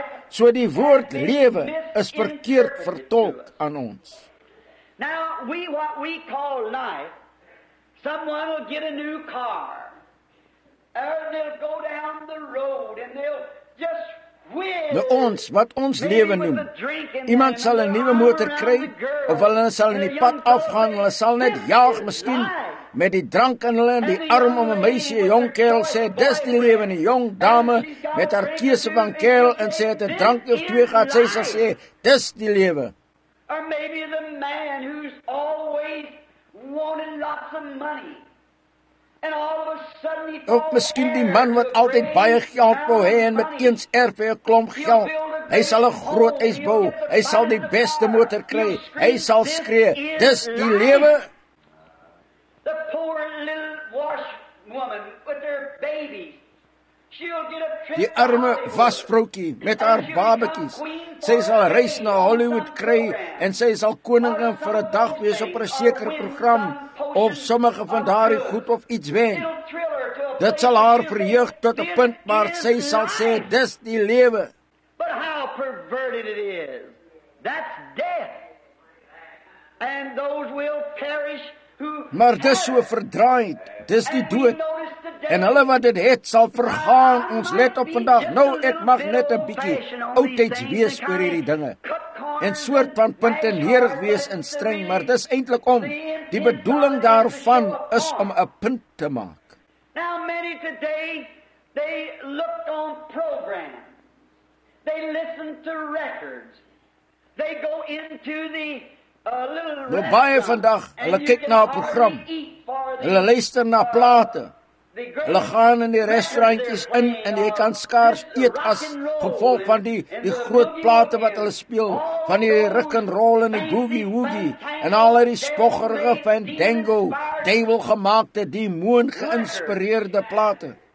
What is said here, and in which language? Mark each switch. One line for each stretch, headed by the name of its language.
Afrikaans: So die woord lewe is verkeerd vertolk aan ons.
English: Now we what we call life, someone will get a new car, or they'll go down the road and they'll just
Afrikaans: nou ons, wat ons lewe noem, iemand sal 'n nuwe motor kry, of hulle sal in die pad afgaan, hulle sal net jaag, miskien met die drank in hulle, die arm om 'n meisie, 'n jong kerel, sê, dis die lewe, 'n jong dame, met haar keuse van kerel, en sê, het 'n drank of twee gehad, sy sal sê, dis die lewe.
English: Or maybe the man who's always wanted lots of money. And all of a sudden he
Afrikaans: ook miskien die man wat altyd baie geld wou hê en met eens erf hy 'n klomp geld. Hy sal 'n groot huis bou, hy sal die beste motor kry, hy sal skree, dis die lewe.
English: The poor little washwoman with her baby. She'll get a trip.
Afrikaans: Die arme wasvroukie met haar babetjies. Sy sal reis na Hollywood kry en sy sal koningin vir 'n dag wees op 'n sekere program of sommige van daardie goed of iets wen. Dit sal haar verheug tot 'n punt waar sy sal sê, dis die lewe.
English: But how perverted it is. That's death. And those will perish.
Afrikaans: Maar dis so verdraaid, dis die dood. En hulle wat dit het sal vergaan, ons let op vandag, nou ek mag net 'n bietjie oudtijds wees oor hierdie dinge. En soort van puntenerig wees en streng, maar dis eintlik om, die bedoeling daarvan is om 'n punt te maak.
English: Now many today, they looked on programs, they listened to records, they go into the
Afrikaans: nou baie vandag, hulle kyk na 'n program, hulle luister na plate, hulle gaan in die restaurantjies in en jy kan skaars eet as gevolg van die groot plate wat hulle speel, van die rock and roll en die boogie woogie en al die spoggerige fandango, duivel gemaakte, demoon geïnspireerde plate.